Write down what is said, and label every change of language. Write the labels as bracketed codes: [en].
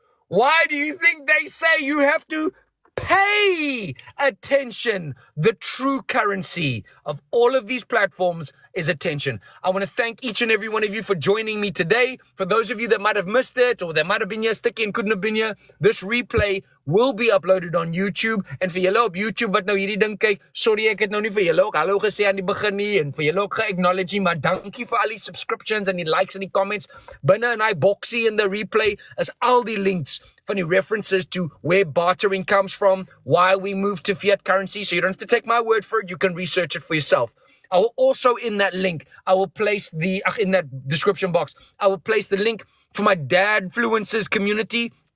[en] Why do you think they say you have to pay attention? The true currency of all of these platforms is attention. I want to thank each and every one of you for joining me today. For those of you that might have missed it, or that might have been here sticky and couldn't have been here, this replay will be uploaded on YouTube. [af] And for julle op YouTube wat nou hierdie ding kyk, sorry, ek het nou nie vir julle ook hallo gesê aan die begin nie, en vir julle ook ge-acknowledge, maar dankie vir al die subscriptions en die likes en die comments. Binne in die boxie [en] in the replay [af] is al die links van die [en] references to where bartering comes from, why we moved to fiat currency, so you don't have to take my word for it, you can research it for yourself. I will also, in that link, I will place the, in that description box, I will place the link for my Dadfluencers community.